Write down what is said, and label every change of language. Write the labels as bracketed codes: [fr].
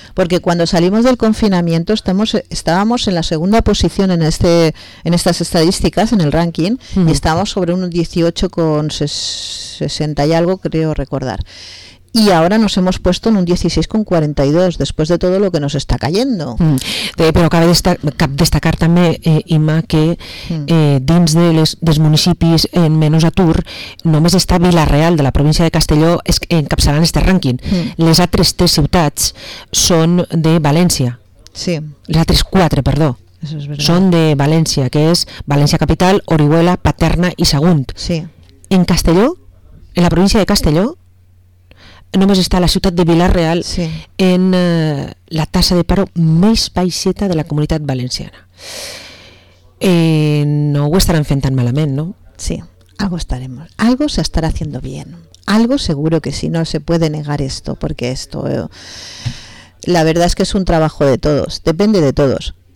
[es] Porque cuando salimos del confinamiento estábamos en la segunda posición en estas estadísticas, en el ranking, y estábamos sobre un 18,60 y algo, creo recordar. Y ahora nos hemos puesto en un 16,42, después de todo lo que nos está cayendo. Pero cabe destacar también, [ca] Imma, que dins dels municipis en menos atur, només està Vila-real, de la província de Castelló, encapçalant este rànquing. Les altres tres ciutats són de València. Sí. Les altres quatre, perdó. [es] Eso es verdad. [ca] Són de València, que és València Capital, Orihuela, Paterna i Sagunt. Sí. En Castelló, en la província de Castelló, només està la ciutat de Vila-real en la tasa de paro més baixeta de la Comunitat Valenciana. No ho estaran fent tan malament, no? [es] Sí, algo estaremos. Algo se estará haciendo bien. Algo seguro que sí, no se puede negar esto, porque esto, la verdad es que es un trabajo de todos, depende de todos.